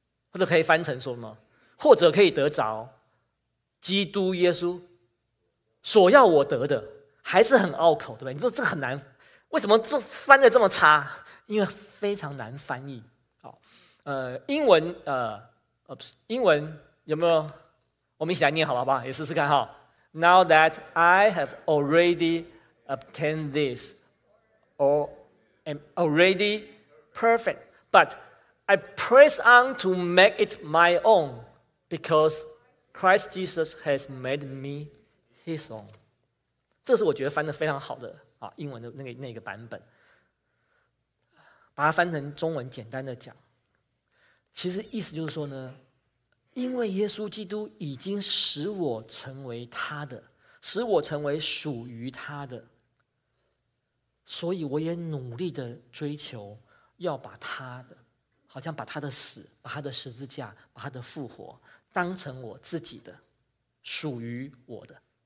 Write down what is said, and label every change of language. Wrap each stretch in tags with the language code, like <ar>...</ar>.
<zh>或者可以翻成说什么？或者可以得着基督耶稣所要我得的，还是很拗口，对不对？你说这很难，为什么翻得这么差？因为非常难翻译。英文英文有没有？我们一起来念好不好？也试试看哈。</zh> <en>Now that I have already obtained this, or am already perfect, but I press on to make it my own because Christ Jesus has made me his own.</en> <zh>这是我觉得翻得非常好的英文的那个版本。把它翻成中文简单的讲，其实意思就是说呢，因为耶稣基督已经使我成为他的，使我成为属于他的，所以我也努力的追求要把他的，好像把他的死，把他的十字架，把他的复活当成我自己的，属于我的。</zh>